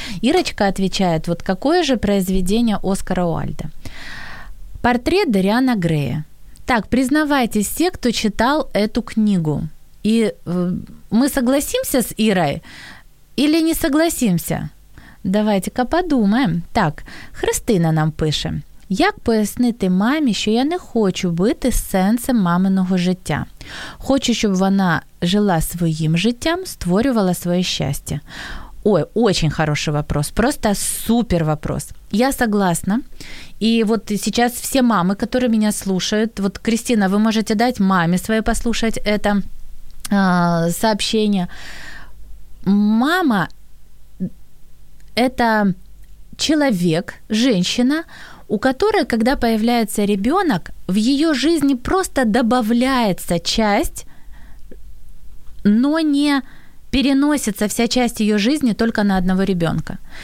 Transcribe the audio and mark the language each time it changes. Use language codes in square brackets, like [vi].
[ru] Ирочка отвечает, вот какое же произведение Оскара Уальда? «Портрет Дориана Грея». Так, признавайтесь, все, кто читал эту книгу. И мы согласимся с Ирой или не согласимся? Давайте-ка подумаем. Так, Христина [uk] нам пише. Як пояснити мамі, що я не хочу бути сенсом маминого життя? Хочу, щоб вона жила своїм життям, створювала своє щастя. [ru] Ой, очень хороший вопрос, просто супер вопрос. Я согласна. И вот сейчас все мамы, которые меня слушают, вот, Кристина, вы можете дать маме своей послушать это сообщение. Мама – это человек, женщина, у которой, когда появляется ребенок, в ее жизни просто добавляется часть, но не переносится вся часть ее жизни только на одного ребенка.